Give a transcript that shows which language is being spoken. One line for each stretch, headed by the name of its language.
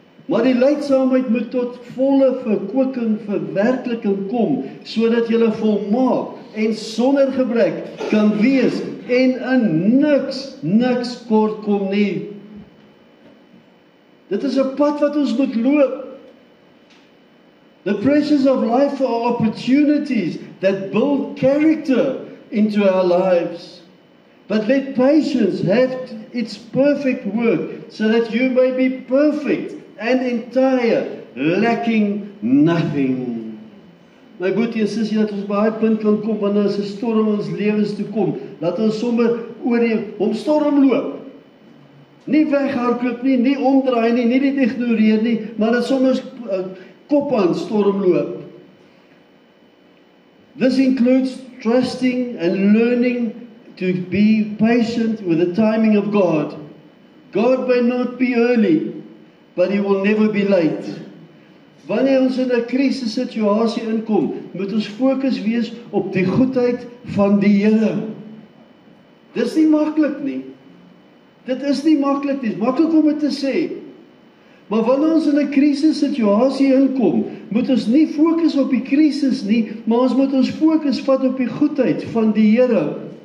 Afrikaans: Maar die lydsaamheid moet tot volle verkwikking verwerkeliking kom, sodat jy volmaak en sonder gebrek kan wees en in niks kort kom nie. Dit is 'n pad wat ons moet loop.
English: The pressures of life are opportunities that build character into our lives. But let patience have its perfect work, so that you may be perfect and entire, lacking nothing.
Afrikaans: My boetie en sissie, dat ons by die punt kan kom, wanneer is 'n storm ons lewens toe kom, dat ons sommer oor die omstorm loop. Nie weghardloop nie, nie omdraai nie, nie dit ignoreer nie, maar dat sommer kop aan storm loop.
English: This includes trusting and learning to be patient with the timing of God. God may not be early, but he will never be late.
Afrikaans: Wanneer ons in 'n krisis situasie inkom, moet ons fokus wees op die goedheid van die Here. Dis nie maklik nie. Dit is nie maklik nie. Dit is maklik om dit te sê. Maar wanneer ons in 'n krisis situasie inkom, moet ons nie fokus op die krisis nie, maar ons moet ons fokus vat op die goedheid van die Here.